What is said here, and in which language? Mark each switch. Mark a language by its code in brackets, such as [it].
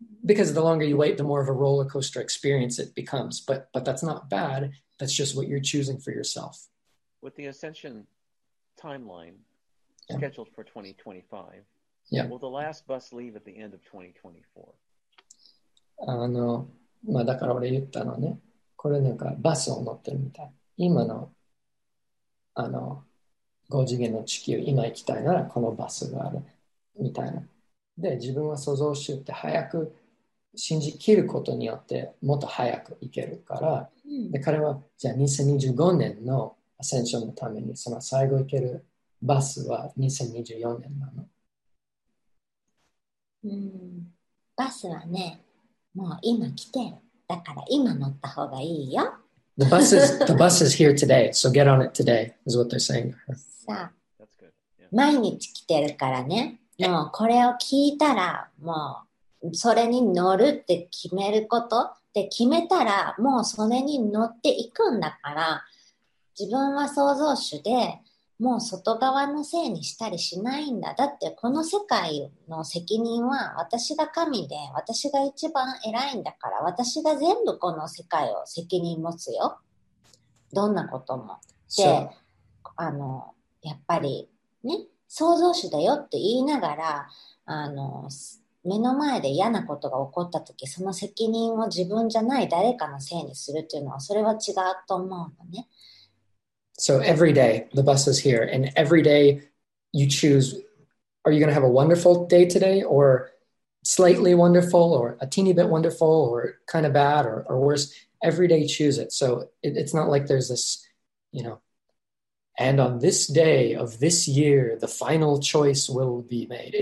[en] Because the longer you wait, the more of a roller coaster experience it becomes. But that's not bad. That's just what you're choosing for yourself. With the ascension timeline scheduled for 2025, yeah. Will the last bus leave at the end of 2024? [ja] だから俺言ったのね。これなんかバスを乗ってるみたい。今の5次元の地球、今行きたいならこのバスがあるみたいな。で、自分は創造主って早く信じ切ることによってもっと早く行けるから、で、彼はじゃあ2025年のアセンションのためにその最後行けるバスは2024年なの。バスはね、もう今来てる。だから今乗った方がいいよ。 [en] The bus is here today, so get on it today, is what they're saying. That's good. Yeah. [ja] 毎日来てるからね。もうこれを聞いたら、もうそれに乗るって決めることで決めたら、もうそれに乗っていくんだから、自分は創造主で、もう外側のせいにしたりしないんだ。だってこの世界の責任は私が神で、私が一番偉いんだから、私が全部この世界を責任持つよ。どんなことも。で、やっぱりね、創造主だよって言いながら、目の前で嫌なことが起こった時、その責任を自分じゃない誰かのせいにするっていうのは、それは違うと思うのね。 [en] So every day, the bus is here, and every day you choose, are you going to have a wonderful day today, or slightly wonderful, or a teeny bit wonderful, or kind of bad, or worse? Every day choose it. So it's not like there's this, you know, and on this day of this year, the final choice will be made.